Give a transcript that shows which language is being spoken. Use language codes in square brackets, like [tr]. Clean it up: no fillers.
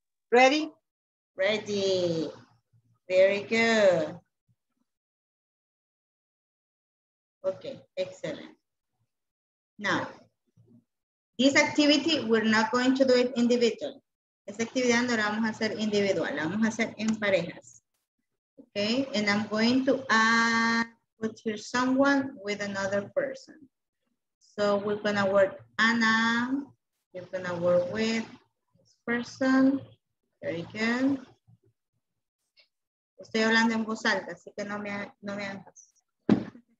[en] Ready? Ready. Very good. Okay, excellent. Now, this activity, we're not going to do it individually. [es] Esta actividad no la vamos a hacer individual, la vamos a hacer en parejas. [en] Okay, and I'm going to put here someone with another person. So we're gonna work Anna, you're gonna work with this person. Very good. [es] Estoy hablando en voz alta, así que no me hagas.